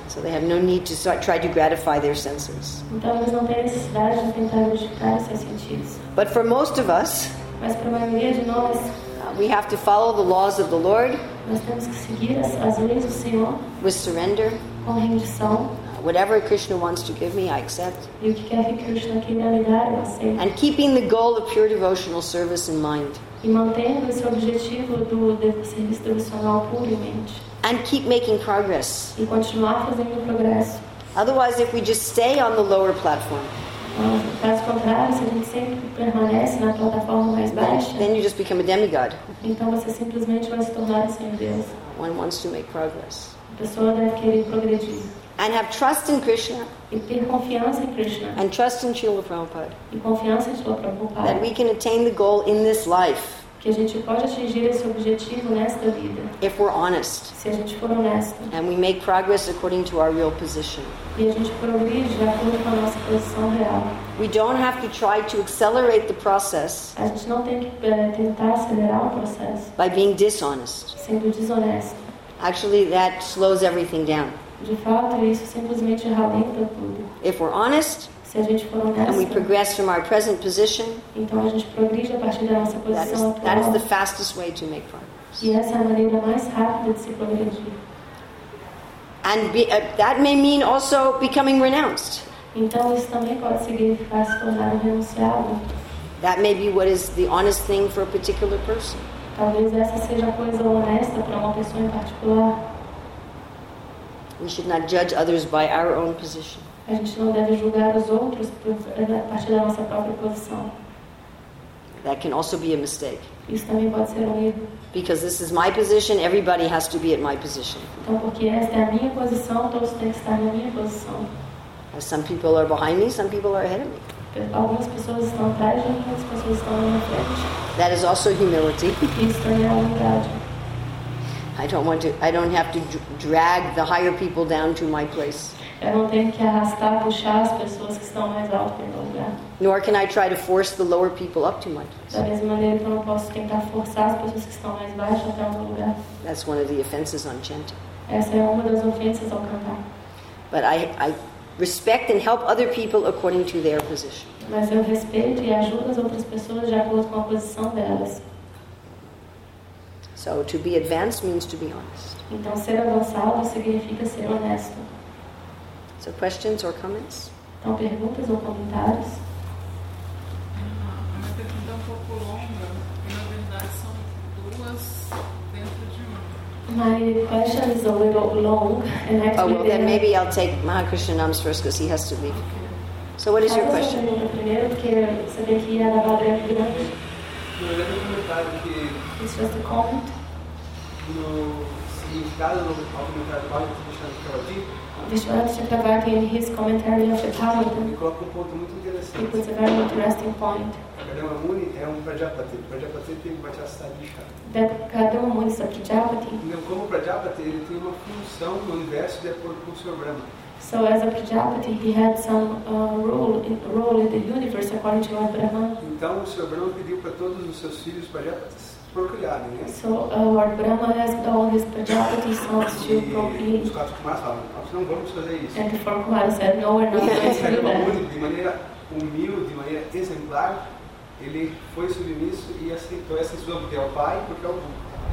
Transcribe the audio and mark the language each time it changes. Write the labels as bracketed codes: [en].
[en] So they have no need to try to gratify their senses. [pt] Então eles não têm necessidade de tentar gratificar seus sentidos. [en] But for most of us, [pt] mas para a maioria de nós, [en] We have to follow the laws of the Lord. [pt] Nós temos que seguir as leis do Senhor. [en] With surrender. [pt] Com rendição. [en] Whatever Krishna wants to give me, I accept. [pt] E o que quer que Krishna queira me dar, eu aceito. [en] And keeping the goal of pure devotional service in mind. [pt] E mantendo esse objetivo do serviço devocional puro em mente. [en] And keep making progress. [pt] E continuar fazendo progresso. [en] Otherwise, if we just stay on the lower platform, [pt] caso contrário, se a gente sempre permanece na plataforma mais baixa, [en] then you just become a demigod. [pt] Então você simplesmente vai se tornar sem Deus. [en] One wants to make progress. [pt] A pessoa deve querer progredir. [en] And have trust in Krishna. [pt] E ter confiança em Krishna. [en] And trust in Srila Prabhupada. [pt] E confiança em Srila Prabhupada. [en] That we can attain the goal in this life. [pt] Que a gente pode atingir esse objetivo nesta vida. [en] If we're honest. [pt] Se a gente for honesto. [en] And we make progress according to our real position. [pt] E a gente progride de acordo com a nossa posição real. [en] We don't have to try to accelerate the process. [pt] A gente não tem que tentar acelerar o processo. [en] By being dishonest. [pt] Sendo desonesto. [en] Actually, that slows everything down. [pt] De fato, isso simplesmente ralenta tudo. [en] If we're honest. [pt] Se a gente for honesto. [en] And we progress from our present position. [pt] Então a gente progride a partir da nossa posição atual. [en] That is the fastest way to make progress. [pt] E essa é a maneira mais rápida de se progredir. [en] And that may mean also becoming renounced. [pt] Então, isso também pode significar se tornar renunciável. [en] That may be what is the honest thing for a particular person. [pt] Talvez essa seja a coisa honesta para uma pessoa em particular. [en] We should not judge others by our own position. [pt] A gente não deve julgar os outros a partir da nossa própria posição. [en] That can also be a mistake. [pt] Isso também pode ser um erro. [en] Because this is my position, everybody has to be at my position. [pt] Então, porque esta é a minha posição, todos têm que estar na minha posição. [en] As some people are behind me, some people are ahead of me. [pt] Algumas pessoas estão atrás de mim, outras pessoas estão na minha frente. [en] That is also humility. [pt] Isso também é humildade. [en] I don't have to drag the higher people down to my place. [pt] Eu não tenho que arrastar, puxar as pessoas que estão mais alto em meu lugar. [en] Nor can I try to force the lower people up to my place. [pt] Da mesma maneira que eu não posso tentar forçar as pessoas que estão mais baixo até o meu lugar. [en] That's one of the offenses on chanting. [pt] Essa é uma das ofensas ao cantar. [en] But I respect and help other people according to their position. [pt] Mas eu respeito e ajudo as outras pessoas de acordo com a posição delas. [en] So to be advanced means to be honest. [pt] Então ser avançado significa ser honesto. [en] So questions or comments? [pt] Então perguntas ou comentários? A minha pergunta é um pouco longa, e na verdade são duas dentro de uma. [en] My question is a little long, and actually. Oh well, then maybe I'll take Mahakrishnanam's first because he has to leave. Okay. So what is your question? This was the comment. [pt] No significado do Krishna [en] Vishwanathaprabhati in his commentary of the Bhagavad [pt] Gita. Ele coloca um ponto muito interessante. [en] He puts a very interesting point. [pt] Kadama Muni é um Prajapati. Prajapati tem Vachastadi [en] Shah. Kadama Muni is a Prajapati. [pt] Então, como Prajapati, ele tem uma função no universo de acordo com o seu Brahma. [en] So as a Prajapati, he had some role in the universe according to what Brahman. [pt] Então, o Sr. Brahma pediu para todos os seus filhos Prajapatis procriarem, né? [en] So Lord Brahma asked all his Prajapati sons to procriate. [pt] Os quatro Kumaras falaram, nós não vamos fazer isso. [en] And the four Kumaras said, no, we're not going to do that. [pt] Muni, de maneira humilde, de maneira exemplar, ele foi submisso e aceitou essa sua porque é o pai, porque é o Buda.